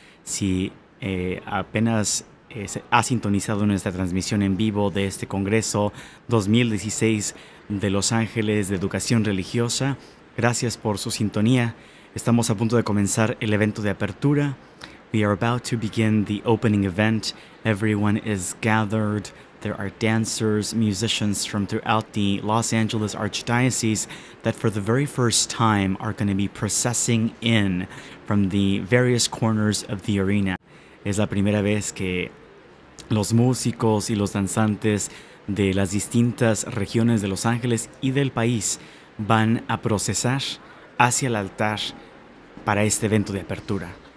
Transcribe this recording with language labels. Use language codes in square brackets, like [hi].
[es] Si apenas ha sintonizado nuestra transmisión en vivo de este Congreso 2016 de Los Ángeles de Educación Religiosa, gracias por su sintonía. Estamos a punto de comenzar el evento de apertura. [en] We are about to begin the opening event. Everyone is gathered. There are dancers, musicians from throughout the Los Angeles Archdiocese that for the very first time are going to be processing in from the various corners of the arena. [es] Es la primera vez que los músicos y los danzantes de las distintas regiones de Los Ángeles y del país van a procesar hacia el altar para este evento de apertura.